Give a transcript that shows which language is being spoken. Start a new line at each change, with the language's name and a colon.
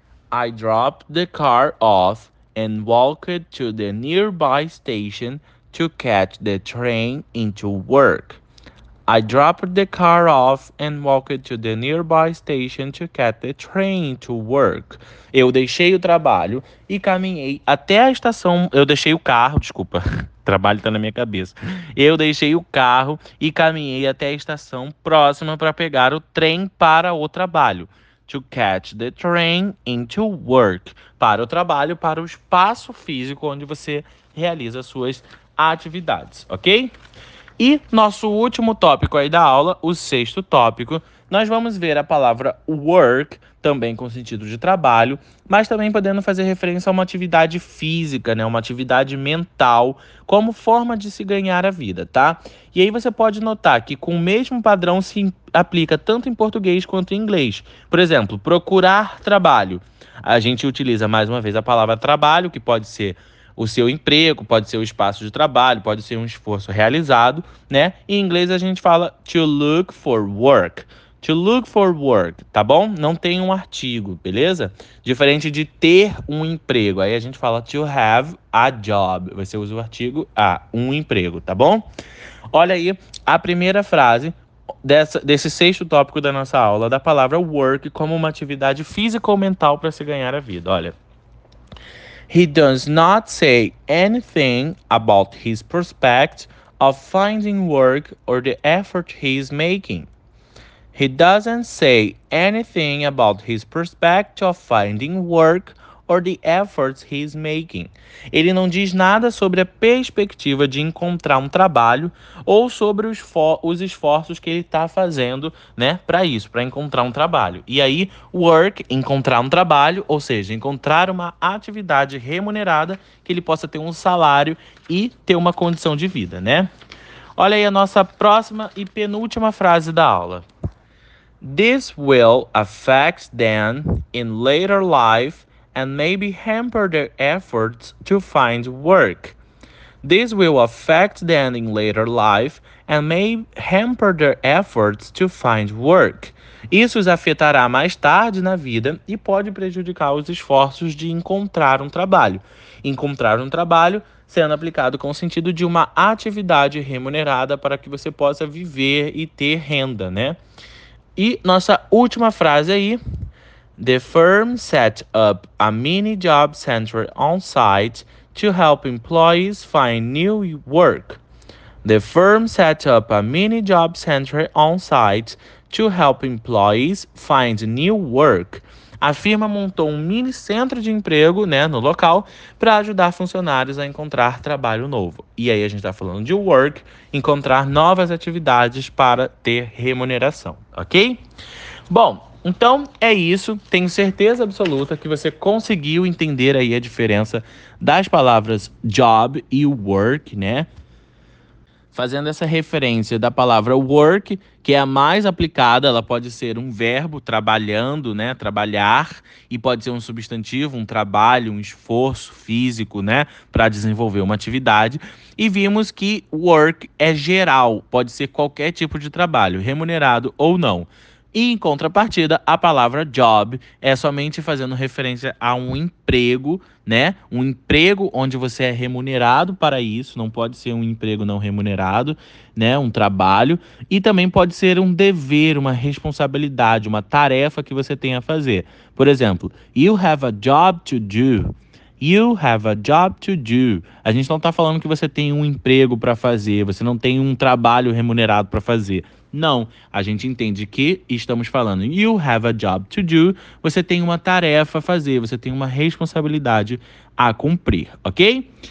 English: I dropped the car off and walked to the nearby station to catch the train into work. I dropped the car off and walked to the nearby station to catch the train to work.
Portuguese: Eu deixei o trabalho e caminhei até a estação. Eu deixei o carro, desculpa. Trabalho tá na minha cabeça. Eu deixei o carro e caminhei até a estação próxima para pegar o trem para o trabalho.
English: To catch the train into work.
Portuguese: Para o trabalho, para o espaço físico onde você realiza suas atividades, ok? E nosso último tópico aí da aula, o sexto tópico, nós vamos ver a palavra work também com sentido de trabalho, mas também podendo fazer referência a uma atividade física, né? Uma atividade mental, como forma de se ganhar a vida, tá? E aí você pode notar que com o mesmo padrão se aplica tanto em português quanto em inglês. Por exemplo, procurar trabalho. A gente utiliza mais uma vez a palavra trabalho, que pode ser o seu emprego, pode ser o espaço de trabalho, pode ser um esforço realizado, né? Em inglês a gente fala
English: to look for work. To look for work,
Portuguese: tá bom? Não tem um artigo, beleza? Diferente de ter um emprego. Aí a gente fala
English: to have a job.
Portuguese: Você usa o artigo a, um emprego, tá bom? Olha aí a primeira frase desse sexto tópico da nossa aula, da palavra work como uma atividade física ou mental para se ganhar a vida. Olha.
English: He does not say anything about his prospect of finding work or the effort he is making. He doesn't say anything about his prospect of finding work or the efforts he is making.
Portuguese: Ele não diz nada sobre a perspectiva de encontrar um trabalho ou sobre os esforços que ele está fazendo, né, para isso, para encontrar um trabalho. E aí, work, encontrar um trabalho, ou seja, encontrar uma atividade remunerada que ele possa ter um salário e ter uma condição de vida, né? Olha aí a nossa próxima e penúltima frase da aula.
English: This will affect them in later life and maybe hamper their efforts to find work. This will affect them in later life and may hamper their efforts to find work.
Portuguese: Isso os afetará mais tarde na vida e pode prejudicar os esforços de encontrar um trabalho. Encontrar um trabalho sendo aplicado com o sentido de uma atividade remunerada para que você possa viver e ter renda, né? E nossa última frase aí.
English: The firm set up a mini job center on site to help employees find new work. The firm set up a mini job center on site to help employees find new work.
Portuguese: A firma montou um mini centro de emprego, né, no local para ajudar funcionários a encontrar trabalho novo. E aí a gente está falando de work, encontrar novas atividades para ter remuneração, ok? Bom, então é isso. Tenho certeza absoluta que você conseguiu entender aí a diferença das palavras job e work, né? fazendo essa referência da palavra work, que é a mais aplicada, ela pode ser um verbo trabalhando, né, trabalhar, e pode ser um substantivo, um trabalho, um esforço físico, né, para desenvolver uma atividade. E vimos que work é geral, pode ser qualquer tipo de trabalho, remunerado ou não. E em contrapartida, a palavra job é somente fazendo referência a um emprego, né? Um emprego onde você é remunerado para isso, não pode ser um emprego não remunerado, né? Um trabalho. E também pode ser um dever, uma responsabilidade, uma tarefa que você tem a fazer. Por exemplo,
English: you have a job to do. You have a job to do.
Portuguese: A gente não está falando que você tem um emprego para fazer, você não tem um trabalho remunerado para fazer. Não, a gente entende que estamos falando
English: you have a job to do.
Portuguese: Você tem uma tarefa a fazer, você tem uma responsabilidade a cumprir, ok?